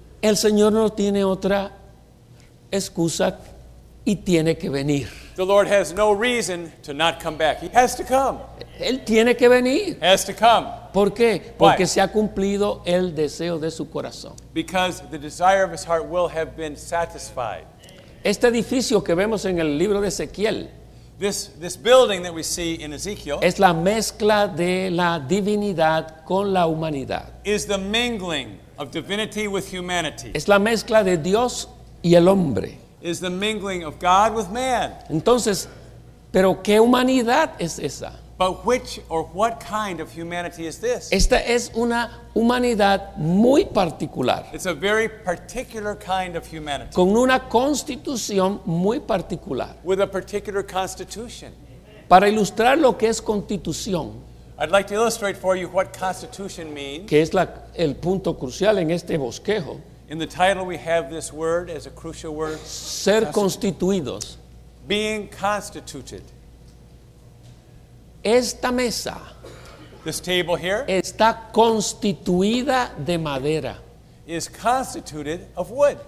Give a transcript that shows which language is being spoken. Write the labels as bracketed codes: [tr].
[es] El Señor no tiene otra excusa y tiene que venir. [en] The Lord has no reason to not come back. He has to come. [es] Él tiene que venir. [en] Has to come. [es] ¿Por qué? Porque se ha cumplido el deseo de su corazón. [en] Because the desire of his heart will have been satisfied. [es] Este edificio que vemos en el libro de Ezequiel. [en] This building that we see in Ezekiel [es] es la mezcla de la divinidad con la humanidad. [en] Is the mingling of divinity with humanity. [es] Es la mezcla de Dios y el hombre. [en] Is the mingling of God with man. [es] Entonces, ¿pero qué humanidad es esa? [en] But which or what kind of humanity is this? [es] Esta es una humanidad muy particular. [en] It's a very particular kind of humanity. [es] Con una constitución muy particular. [en] With a particular constitution. [es] Para ilustrar lo que es constitución. [en] I'd like to illustrate for you what constitution means. [es] Que es el punto crucial en este bosquejo. [en] In the title we have this word as a crucial word. [es] Ser constituidos. [en] Being constituted. [es] Esta mesa, [en] this table here, [es] está constituida de madera. [en] Is constituted of wood.